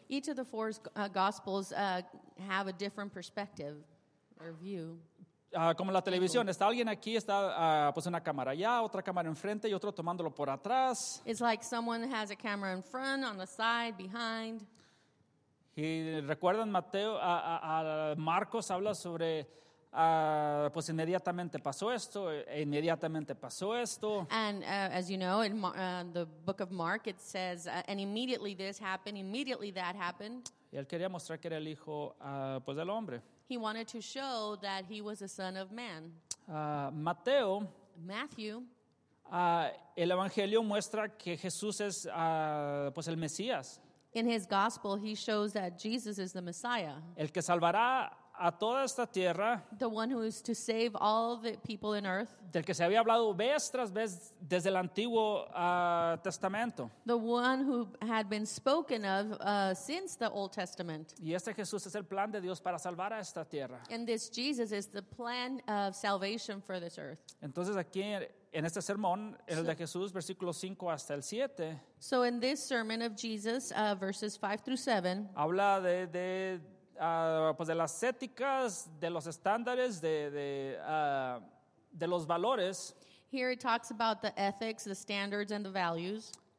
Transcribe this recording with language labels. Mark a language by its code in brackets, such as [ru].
[en] Each of the four gospels have a different perspective or view. [es] Como la televisión, está alguien aquí, está una cámara allá, otra cámara enfrente y otro tomándolo por atrás. [en] It's like someone has a camera in front, on the side, behind. [es] Y recuerdan Mateo, Marcos habla sobre inmediatamente pasó esto, inmediatamente pasó esto. [en] And as you know, in the book of Mark, it says, and immediately this happened, immediately that happened. [es] Y él quería mostrar que era el hijo del hombre. [en] He wanted to show that he was a son of man. [es] Mateo. [en] Matthew. [es] El evangelio muestra que Jesús es el Mesías. [en] In his gospel, he shows that Jesus is the Messiah. [es] El que salvará a toda esta tierra. [en] The one who is to save all the people in earth. [es] Del que se había hablado vez tras vez desde el Antiguo Testamento. [en] The one who had been spoken of since the Old Testament. [es] Y este Jesús es el plan de Dios para salvar a esta tierra. [en] And this Jesus is the plan of salvation for this earth. [es] Entonces aquí en este sermón, el de Jesús, versículos 5 hasta el 7. [en] So in this sermon of Jesus, verses 5 through 7. [es] Habla de las éticas, de los estándares, de los valores. [en] Here it talks about the ethics, the standards, and the values.